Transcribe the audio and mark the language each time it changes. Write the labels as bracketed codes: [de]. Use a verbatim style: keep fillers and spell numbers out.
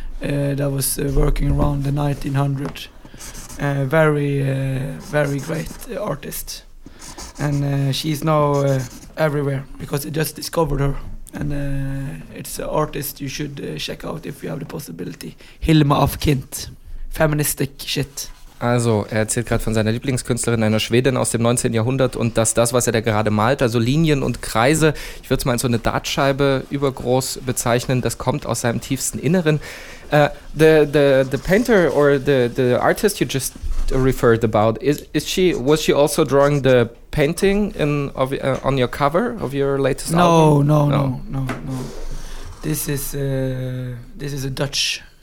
[en] Uh, that was uh, working around the nineteen hundred. Uh, very, uh, very great uh, artist. And uh, she's now uh, everywhere because I just discovered her. And uh, it's an artist you should uh, check out if you have the possibility. Hilma af Kint. Feministic shit. [de] Also, er erzählt gerade von seiner Lieblingskünstlerin, einer Schwedin aus dem neunzehnten. Jahrhundert und dass das, was er da gerade malt, also Linien und Kreise, ich würde es mal als so eine Dartscheibe übergroß bezeichnen, das kommt aus seinem tiefsten Inneren. [en] Uh, the, the, the painter or the, the artist you just referred about, is, is she, was she also drawing the painting in, of, uh, on your cover of your latest no, album? No, no, no, no, no. This is, uh, this is a Dutch...